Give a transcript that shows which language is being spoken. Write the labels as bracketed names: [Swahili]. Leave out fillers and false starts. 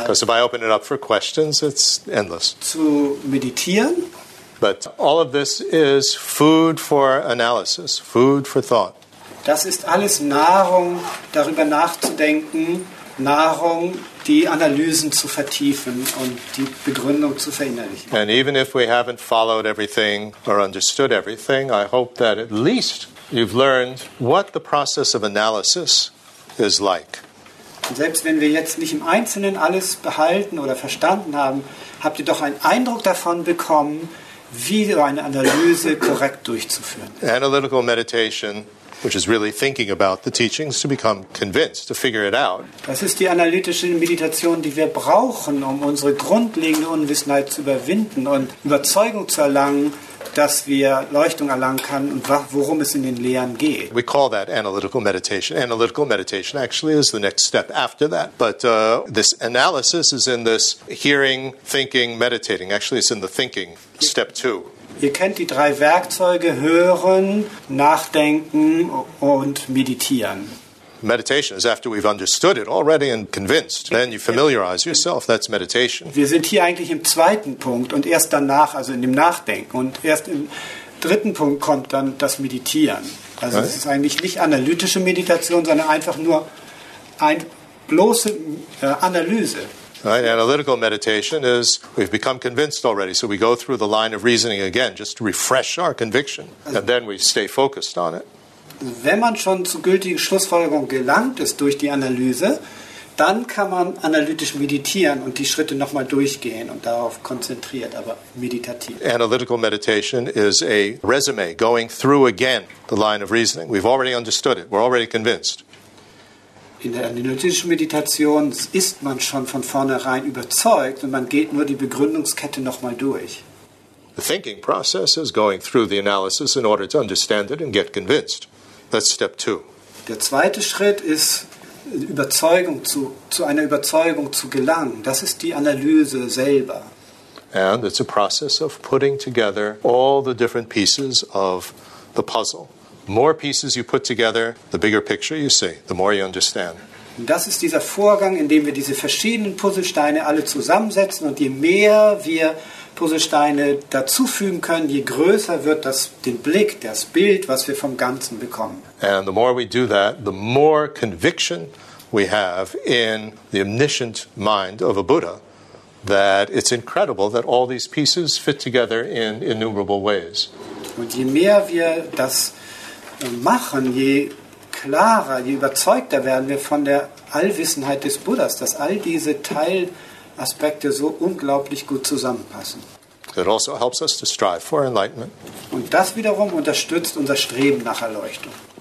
[English] Because if I open it up for questions, it's endless. [German] Zu meditieren. [English] But all of this is food for analysis, food for thought. [German] Das ist alles Nahrung, darüber nachzudenken, Nahrung, die Analysen zu vertiefen und die Begründung zu verinnerlichen. [English] And even if we haven't followed everything or understood everything, I hope that at least you've learned what the process of analysis is like. [German] Und selbst wenn wir jetzt nicht im Einzelnen alles behalten oder verstanden haben, habt ihr doch einen Eindruck davon bekommen, wie so eine Analyse korrekt durchzuführen. [English] Analytical meditation, which is really thinking about the teachings to become convinced, to figure it out. [German] Das ist die analytische Meditation, die wir brauchen, um unsere grundlegende Unwissenheit zu überwinden und Überzeugung zu erlangen, dass wir Erleuchtung erlangen können und worum es in den Lehren geht. [English] We call that analytical meditation. Analytical meditation actually is the next step after that. But this analysis is in this hearing, thinking, meditating. Actually, it's in the thinking step two. [German] Ihr kennt die drei Werkzeuge: Hören, Nachdenken und Meditieren. [English] Meditation is after we've understood it already and convinced. Then you familiarize yourself. That's meditation. [German] Wir sind hier eigentlich im zweiten Punkt und erst danach, also in dem Nachdenken. Und erst im dritten Punkt kommt dann das Meditieren. Also es ist eigentlich nicht analytische Meditation, sondern einfach nur eine bloße Analyse. [English] Right, analytical meditation is we've become convinced already, so we go through the line of reasoning again, just to refresh our conviction, and then we stay focused on it. [German] Wenn man schon zu gültigen Schlussfolgerungen gelangt ist durch die Analyse, dann kann man analytisch meditieren und die Schritte nochmal durchgehen und darauf konzentriert, aber meditativ. [English] Analytical meditation is a resume, going through again the line of reasoning. We've already understood it, we're already convinced. [German] In der analytischen Meditation ist man schon von vornherein überzeugt und man geht nur die Begründungskette nochmal durch. [English] The thinking process is going through the analysis in order to understand it and get convinced. That's step two. [German] Der zweite Schritt ist, zu einer Überzeugung zu gelangen. Das ist die Analyse selber. [English] And it's a process of putting together all the different pieces of the puzzle. More pieces you put together, the bigger picture you see, the more you understand. [German] Das ist dieser Vorgang, in dem wir diese verschiedenen Puzzlesteine alle zusammensetzen und je mehr wir Puzzlesteine dazufügen können, je größer wird das den Blick, das Bild, was wir vom Ganzen bekommen. [English] And the more we do that, the more conviction we have in the omniscient mind of a Buddha that it's incredible that all these pieces fit together in innumerable ways. [German] Und je mehr wir das machen, je klarer, je überzeugter werden wir von der Allwissenheit des Buddhas, dass all diese Teilaspekte so unglaublich gut zusammenpassen. [English] It also helps us to strive for enlightenment. [German] Und das wiederum unterstützt unser Streben nach Erleuchtung.